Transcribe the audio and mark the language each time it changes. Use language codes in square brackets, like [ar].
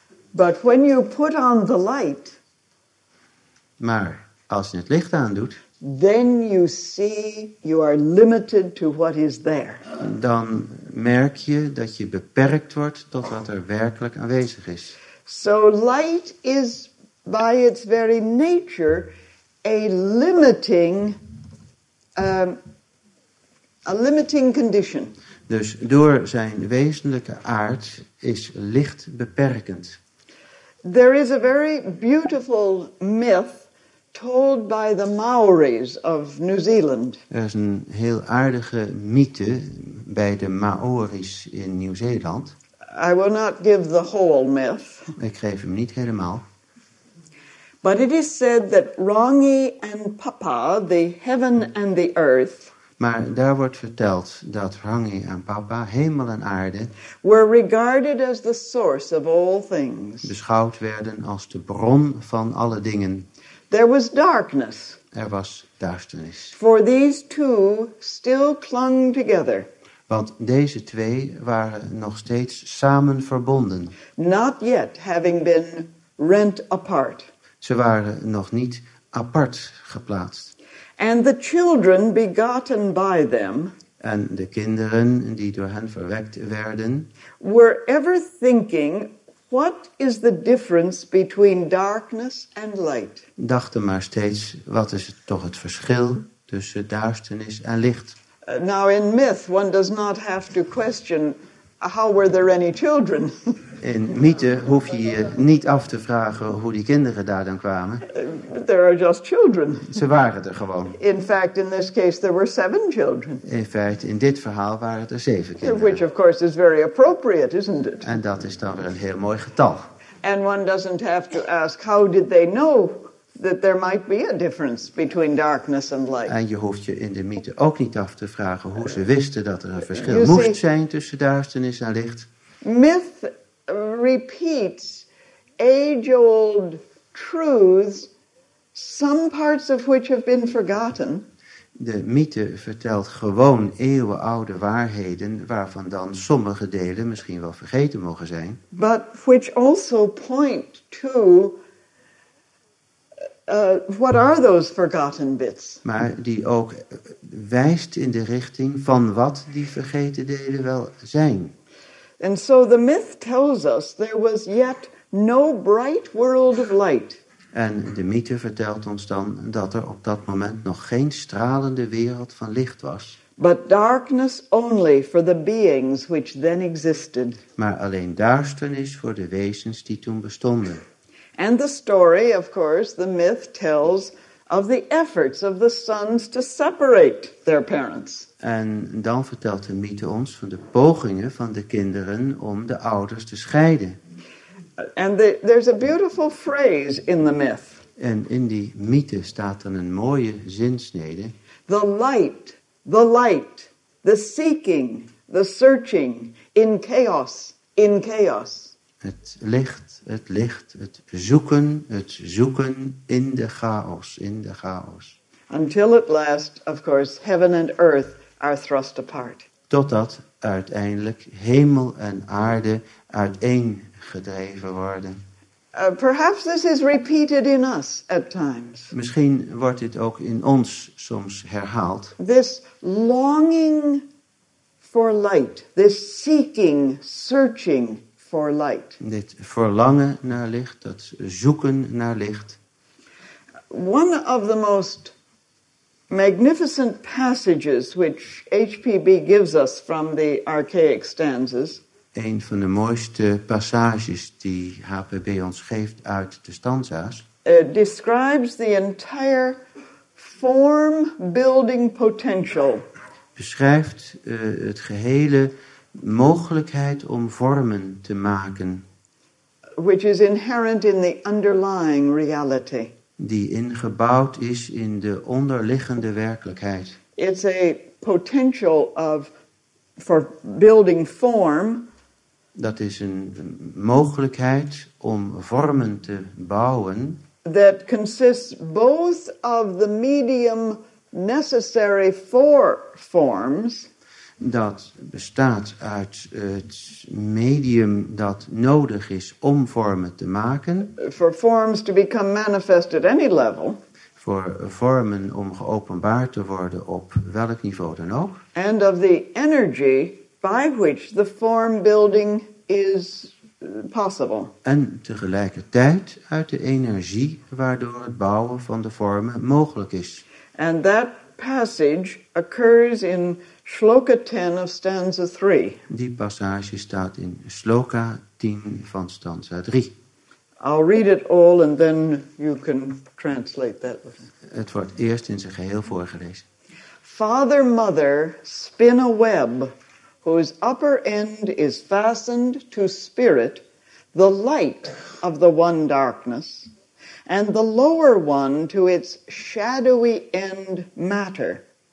[en] But when you put on the light, [nl] maar als je het licht aandoet, [en] then you see you are limited to what is there. [nl] Dan merk je dat je beperkt wordt tot wat er werkelijk aanwezig is. [en] So light is by its very nature a limiting condition. [nl] Dus door zijn wezenlijke aard is licht beperkend. [en] There is a very beautiful myth told by the Maoris of New Zealand. [nl] Er is een heel aardige mythe bij de Maoris in Nieuw-Zeeland. [en] I will not give the whole myth. [nl] Ik geef hem niet helemaal. [en] But it is said that Rangi and Papa, the heaven and the earth, [nl] maar daar wordt verteld dat Rangi en Papa, hemel en aarde, [en] were regarded as the source of all things. [nl] Beschouwd werden als de bron van alle dingen. [en] There was darkness. [nl] Er was duisternis. [en] For these two still clung together. [nl] Want deze twee waren nog steeds samen verbonden. [en] Not yet having been rent apart. [nl] Ze waren nog niet apart geplaatst. [en] And the children begotten by them. [nl] En de kinderen die door hen verwekt werden. [en] Were ever thinking, what is the difference between darkness and light? [nl] Dachten maar steeds, wat is toch het verschil tussen duisternis en licht? [en] Now in myth one does not have to question how were there any children. [nl] In mythe hoef je je niet af te vragen hoe die kinderen daar dan kwamen. [en] There are just children. [nl] Ze waren er gewoon. [en] In fact in this case there were 7 children. [nl] In feite in dit verhaal waren er 7 kinderen. [en] Which of course is very appropriate, isn't it? [nl] En dat is dan weer een heel mooi getal. [en] And one doesn't have to ask how did they know that there might be a difference between darkness and light. [nl] En je hoeft je in de mythe ook niet af te vragen hoe ze wisten dat er een verschil moest zijn tussen duisternis en licht. [en] Myth repeats age-old truths, some parts of which have been forgotten. [nl] De mythe vertelt gewoon eeuwenoude waarheden waarvan dan sommige delen misschien wel vergeten mogen zijn. [en] But which also point to what are those forgotten bits? [nl] Maar die ook wijst in de richting van wat die vergeten delen wel zijn. [en] And so the myth tells us there was yet no bright world of light. [nl] En de mythe vertelt ons dan dat er op dat moment nog geen stralende wereld van licht was. [en] But darkness only for the beings which then existed. [nl] Maar alleen duisternis voor de wezens die toen bestonden. [en] And the story, of course, the myth tells of the efforts of the sons to separate their parents. [nl] En dan vertelt de mythe ons van de pogingen van de kinderen om de ouders te scheiden. [en] And there's a beautiful phrase in the myth. [nl] En in die mythe staat dan een mooie zinsnede. [en] The light, the seeking, the searching, in chaos. [nl] Het licht, het zoeken in de chaos. [en] Until at last, of course, heaven and earth are thrust apart. [nl] Totdat uiteindelijk hemel en aarde uiteen gedreven worden. [en] Perhaps this is repeated in us at times. [nl] Misschien wordt dit ook in ons soms herhaald. [en] This longing for light, this seeking, searching for light. [nl] Dit verlangen naar licht, dat zoeken naar licht. [en] One of the most magnificent passages which HPB gives us from the archaic stanzas. [nl] Een van de mooiste passages die HPB ons geeft uit de stanza's. [en] Describes the entire form building potential. [nl] Beschrijft het gehele mogelijkheid om vormen te maken. [en] Which is inherent in the underlying reality. [nl] Die ingebouwd is in de onderliggende werkelijkheid. [en] It's a potential of for building form. [nl] Dat is een mogelijkheid om vormen te bouwen. [en] That consists both of the medium necessary for forms. [nl] Dat bestaat uit het medium dat nodig is om vormen te maken. [en] For forms to become manifest at any level. [nl] Voor vormen om geopenbaard te worden op welk niveau dan ook. [en] And of the energy by which the form building is possible. [nl] En tegelijkertijd uit de energie waardoor het bouwen van de vormen mogelijk is. [en] And that passage occurs in Shloka 10 of stanza 3. [nl] Die passage staat in Shloka 10 van stanza 3. [en] I'll read it all and then you can translate that. [nl] Het wordt eerst in zijn geheel voorgelezen. [en] Father, mother, spin a web whose upper end is fastened to spirit, the light of the one darkness, and the lower one to its shadowy end matter.